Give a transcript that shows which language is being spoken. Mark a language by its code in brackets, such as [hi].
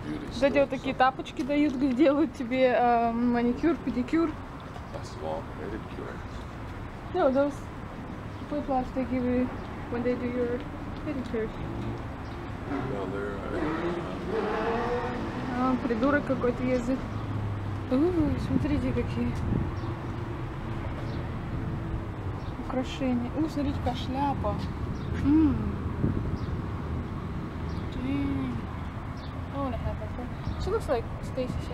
[ru] Кстати, вот такие тапочки дают, где делают тебе маникюр, педикюр. [en] That's long pedicure. No, those flip flops they give you when they do your pedicure. Well, they're. [ru] Придурок какой-то ездит. Смотрите, какие украшения. Смотрите, какая шляпа. [en] She looks like Stacy Chef.